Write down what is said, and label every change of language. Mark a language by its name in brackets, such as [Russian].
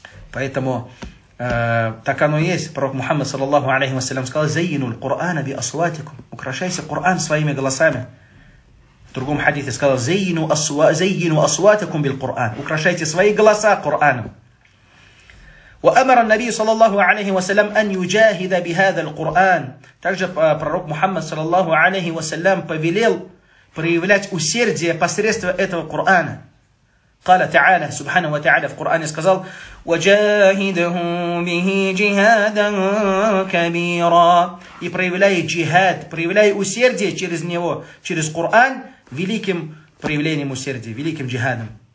[Russian] Поэтому так оно и есть. Пророк Мухаммад, саллаллаху алейхи ва саллям, сказал, [Arabic] «Зайину аль-Кур'ана би асватикум». [Russian] Украшайся Кур'ан своими голосами. В другом хадисе сказал, [Arabic] «Зайину асватикум бил-Кур'ан». [Russian] Украшайте свои голоса Кур'аном. [Arabic] وأمر النبي صلى الله عليه وسلم أن يجاهد بهذا القرآن. [Russian] Также пророк Мухаммад [Arabic] صلى الله عليه وسلم [Russian] повелел проявлять усердие посредством этого Корана. [Arabic] قال تعالى سبحانه وتعالى في القرآن [Russian] сказал [Arabic] وجاهدهم به جهادا كبيرا [Russian] и проявляй джихад, проявляй усердие через него, через Коран, великим проявлением усердия, великим джихадом.